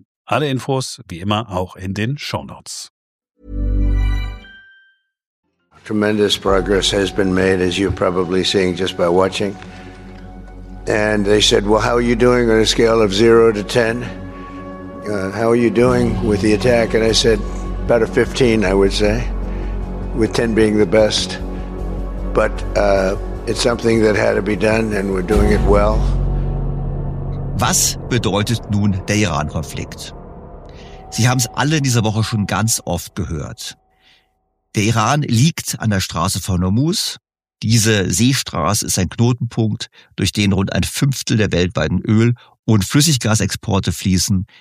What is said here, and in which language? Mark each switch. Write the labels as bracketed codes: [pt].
[de] Alle Infos, wie immer, auch in den Shownotes. [en] Tremendous progress has been made, as you're probably seeing just by watching. And they said, well, how are you doing on a scale of 0 to 10? How are you doing with the attack? And I said, about a 15, I would say, with 10 being the best. But it's something that had to be done, and we're doing it well. [de] Was bedeutet nun der Iran-Konflikt? Sie haben es alle in dieser Woche schon ganz oft gehört. Der Iran liegt an der Straße von Hormuz. Diese Seestraße ist ein Knotenpunkt, durch den rund ein Fünftel der weltweiten Öl- und Flüssiggasexporte fließen.